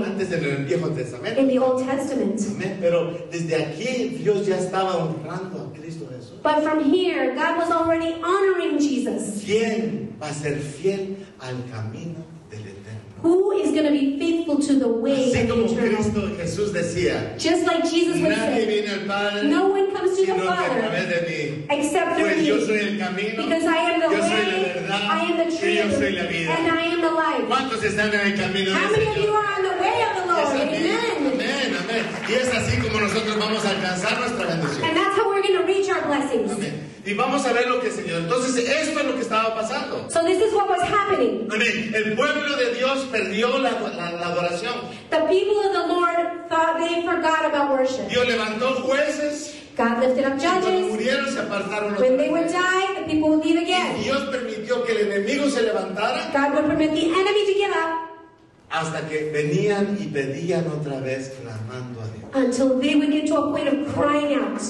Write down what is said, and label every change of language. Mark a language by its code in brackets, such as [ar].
[es] Antes en el Viejo Testamento. [en] In the Old Testament. [es] Amén. Pero desde aquí Dios ya estaba honrando a Cristo Jesús. [en] But from here, God was already honoring Jesus. [es] ¿Quién va a ser fiel al camino del eterno? [en] Who is going to be faithful to the way [es] así [en] of the eternal? [es] Cristo, Jesús decía, [en] just like Jesus would say, [es] nadie viene al Padre, [en] no one comes to the Father [es] de mí. [en] Except through [es] pues [en] me. [es] Yo soy el camino, [en] because I am the [es] yo [en] way, [es] verdad, [en] I am the truth, [es] yo soy la vida. [en] And I am the life. [es] ¿Cuántos están en el camino [en] how [es] del [en] many [es] Señor? [en] Of you are on the way of the Lord? Amen. Amen. [es] Amen. Y es así como nosotros vamos a alcanzar nuestra bendición. [en] And that's how we're going to reach our blessings. [es] Amen. Y vamos a ver lo que el Señor. Entonces, esto es lo que estaba pasando. [en] So this is what was happening. [es] Amén. El pueblo de Dios perdió la adoración. [en] The people of the Lord thought they forgot about worship. [es] Dios levantó jueces. [en] God lifted up judges. [es] Y cuando murieron, se apartaron los [en] when they would die, the people would leave again. [es] Y Dios permitió que el enemigo se levantara. [en] God would permit the enemy to get up. [es] Hasta que venían y pedían otra vez clamando a Dios. [en] Until they would get to a point of crying out.